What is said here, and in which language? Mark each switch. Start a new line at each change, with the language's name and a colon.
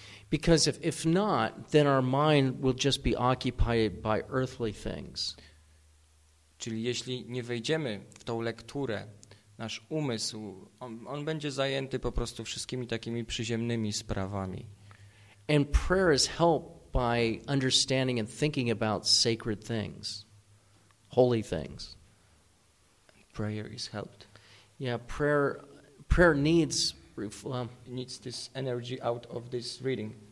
English: Because if not, then our mind will just be occupied by earthly things.
Polish: Czyli jeśli nie wejdziemy w tą lekturę, nasz umysł, on będzie zajęty po prostu wszystkimi takimi przyziemnymi sprawami.
English: And prayer is helped by understanding and thinking about sacred things, holy things. Prayer is helped. Yeah, prayer needs needs this energy out of this reading.